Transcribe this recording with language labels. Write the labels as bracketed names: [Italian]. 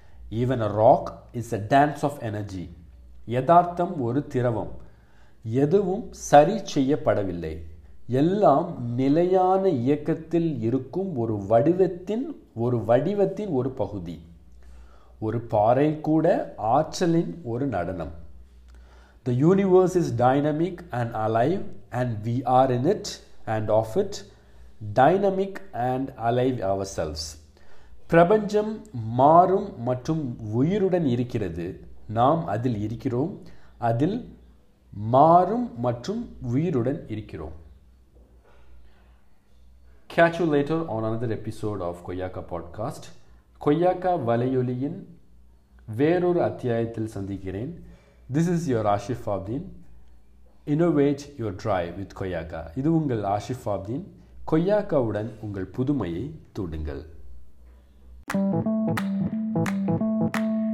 [English] Even a rock is a dance of energy. [Tamil] யதார்த்தம் ஒரு திரவம். எதுவும் சரி செய்யப்படவில்லை. எல்லாம் நிலையான இயக்கத்தில் இருக்கும் ஒரு வடிவத்தின் ஒரு பகுதி. ஒரு பாறை கூட ஆற்றலின் ஒரு நடனம். [English] The universe is dynamic and alive, and we are in it and of it, dynamic and alive ourselves. [Tamil] பிரபஞ்சம் மாறும் மற்றும் உயிருடன் இருக்கிறது. நாம் அதில் இருக்கிறோம். அதில் மாறும் மற்றும் உயிருடன் இருக்கிறோம். [English] Catch you later on another episode of Koyaka podcast. [Tamil] Koyaka வலையொலியின் வேறொரு அத்தியாயத்தில் சந்திக்கிறேன். [English] This is your Ashif Abdin. Innovate your drive with Koyaka. [Tamil] இது உங்கள் ஆஷிஃப் ஆப்தீன். கொய்யாக்காவுடன் உங்கள் புதுமையை தூண்டுங்கள்.